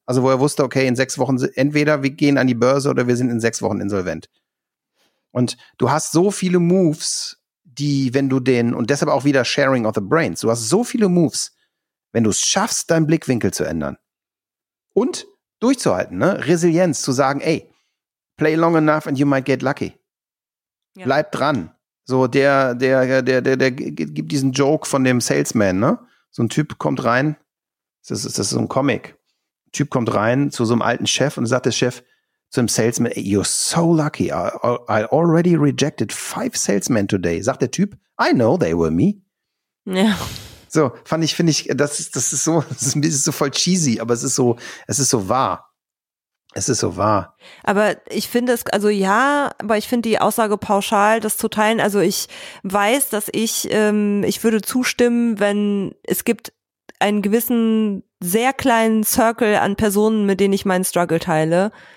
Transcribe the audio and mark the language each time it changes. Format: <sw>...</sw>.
<de>Also wo er wusste, okay, in 6 Wochen, entweder wir gehen an die Börse oder wir sind in 6 Wochen insolvent. Und du hast so viele Moves, die, wenn du den, und deshalb auch wieder</de> <en>Sharing of the Brains,</en> <de>du hast so viele Moves, wenn du es schaffst, deinen Blickwinkel zu ändern und durchzuhalten, ne? Resilienz, zu sagen, ey,</de> <en>play long enough and you might get lucky.</en> <de>Ja. Bleib dran. So der gibt diesen Joke von dem Salesman, ne? So ein Typ kommt rein, das ist so ein Comic. Ein Typ kommt rein zu so einem alten Chef und sagt der Chef zu dem Salesman, ey,</de> <en>you're so lucky, I already rejected 5 salesmen today.</en> <de>Sagt der Typ,</de> <en>I know they were me.</en> <de>Ja. So, finde ich, das ist so voll cheesy, aber es ist so wahr. Es ist so wahr. Aber ich finde es, also ja, aber ich finde die Aussage pauschal, das zu teilen, also ich weiß, dass ich würde zustimmen, wenn es gibt einen gewissen, sehr kleinen Circle an Personen, mit denen ich meinen Struggle teile.</de>